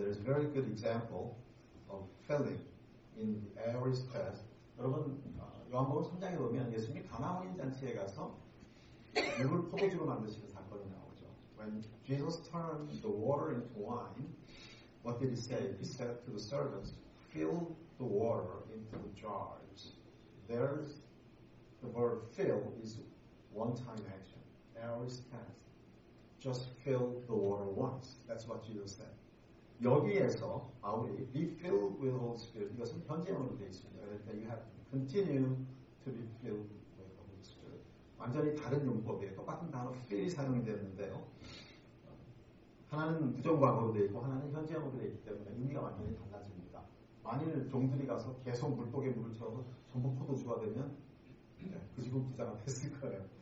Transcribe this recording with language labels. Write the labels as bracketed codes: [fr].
[en] There is a very good example of filling in the aorist past. [ko] 여러분 요한복음 3장에 보면 예수님이 가나 혼인 잔치에 가서 물을 포도주로 만드시는 사건이 나오죠. [en] When Jesus turned the water into wine, what did he say? He said to the servants, fill the water into the jars. There's the word fill is one-time action. Aorist tense. Just fill the water once. That's what Jesus said. [ko] 여기에서 아우리 [en] be filled with Holy Spirit [ko] 이것은 현재형으로 되어 있습니다. [en] That you have to continue to be filled with Holy Spirit. [ko] 완전히 다른 용법이에요. 똑같은 단어 fill이 사용이 되는데요. 하나는 부정과거로 되어 있고 하나는 현재형으로 되어 있기 때문에 의미가 완전히 달라집니다. 만일 종들이 가서 계속 물독에 물을 채워서 전부 포도주가 되면 그 집은 부자가 됐을 거예요.